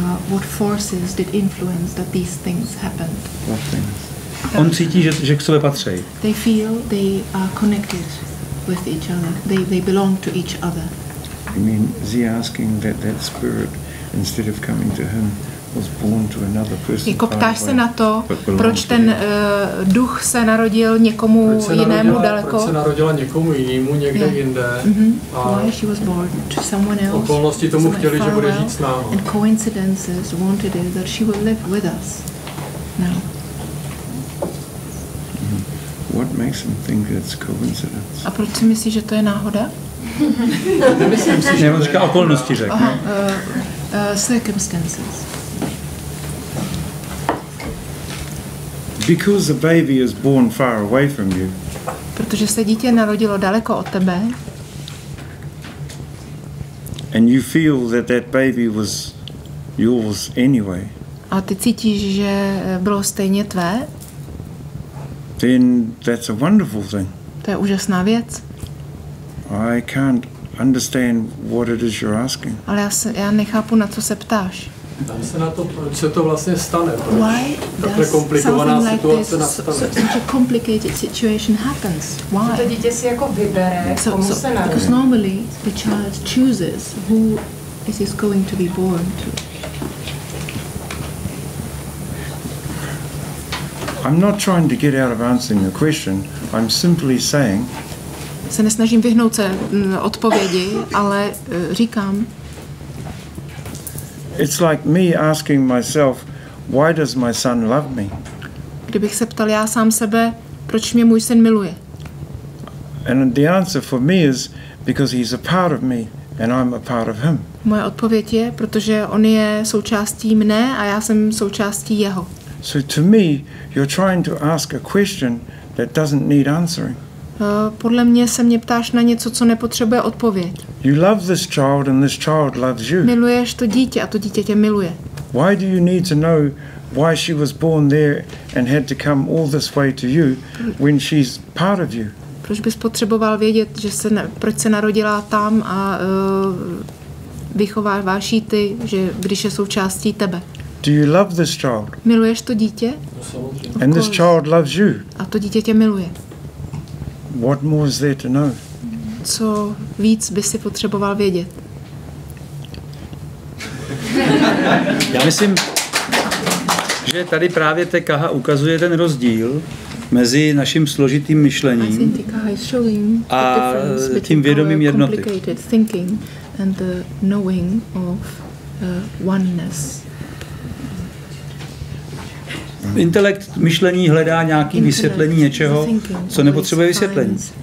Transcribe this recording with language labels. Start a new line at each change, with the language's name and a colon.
English: What forces did influence that these things happened? What things?
Czech: On cítí, že k sobě patří.
English: They feel they are connected with each other. They belong to each other. You mean, is he asking that spirit, instead of coming to him, was born to another person?
Czech: Jako ptáš se na to, proč ten duch se narodil někomu jinému daleko? Proč se narodila někomu jinému někde jinde? Mm-hmm.
English: Why she was born to someone else?
Czech: Okolnosti tomu chtěli, že bude žít s námi.
English: And coincidences wanted it that she would live with us now. What makes him think it's coincidence?
Czech: A proč si myslíš, že to je náhoda? Nemyslím si, že on říká okolnosti, řekne.
English: Circumstances. Because a baby is born far away from you.
Czech: Protože se dítě narodilo daleko od tebe.
English: And you feel that baby was yours anyway.
Czech: A ty cítíš, že bylo stejně tvé?
English: Then that's a wonderful thing.
Czech: To je úžasná věc.
English: I can't understand what it is you're asking.
Czech: Ale já nechápu, na co se ptáš. Dám se na to, proč se to vlastně stane, proč takhle komplikovaná situace nastane.
English: Such a complicated situation happens. Why?
Czech: To dítě si jako vybere, komu se narodí.
English: Because normally the child chooses who it is going to be born to. I'm not trying to get out of answering your question. I'm simply saying.
Czech: Se nesnažím vyhnout se odpovědi, ale říkám.
English: It's like me asking myself, why does my son love me?
Czech: Kdybych se ptal já sám sebe, proč mě můj syn miluje?
English: And the answer for me is because he's a part of me and I'm a part of him.
Czech: Moje odpověď je, protože on je součástí mne a já jsem součástí jeho.
English: So to me, you're trying to ask a question that doesn't need answering.
Czech: Podle mě se mě ptáš na něco, co nepotřebuje odpověď.
English: You love this child and this child loves you.
Czech: Miluješ to dítě a to dítě tě miluje.
English: Why do you need to know why she was born there and had to come all this way to you when she's part of you?
Czech: Proč bys potřeboval vědět, že se proč se narodila tam a vychováváš jí ty, že když je součástí tebe?
English: Do you love this child?
Czech: Miluješ to dítě?
English: And this child loves you.
Czech: A to dítě tě miluje.
English: What more is there to know?
Czech: Co víc bys si potřeboval vědět? Já myslím, že tady právě ta kaha ukazuje ten rozdíl mezi naším složitým myšlením a tím vědomím jednoty.
English: And the knowing of oneness.
Czech: Intelekt, myšlení hledá nějaké vysvětlení něčeho, co nepotřebuje vysvětlení.